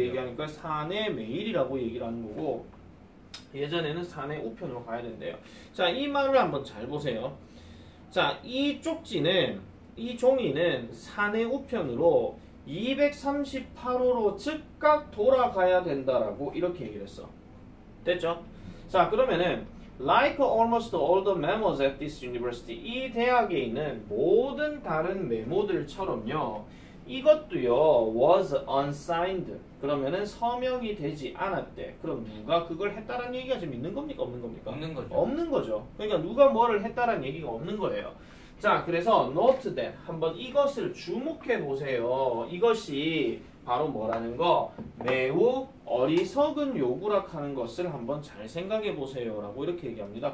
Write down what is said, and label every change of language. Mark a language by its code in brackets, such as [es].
[ko] 얘기하니까 사내 메일이라고 얘기를 하는 거고, 예전에는 사내 우편으로 가야 된대요. 자, 이 말을 한번 잘 보세요. 자, 이 쪽지는, 이 종이는 사내 우편으로 238호로 즉각 돌아가야 된다라고 이렇게 얘기를 했어. 됐죠? [en] 자, 그러면은, like almost all the memos at this university, [ko] 이 대학에 있는 모든 다른 메모들처럼요, 이것도요, [en] was unsigned. [ko] 그러면은 서명이 되지 않았대. 그럼 누가 그걸 했다라는 얘기가 지금 있는 겁니까? 없는 겁니까? 없는 거죠. 없는 거죠. 그러니까 누가 뭐를 했다라는 얘기가 없는 거예요. 자, 그래서 [en] note that [ko] 한번 이것을 주목해 보세요. 이것이 바로 뭐라는 거? 매우 어리석은 요구라 하는 것을 한번 잘 생각해 보세요라고 이렇게 얘기합니다.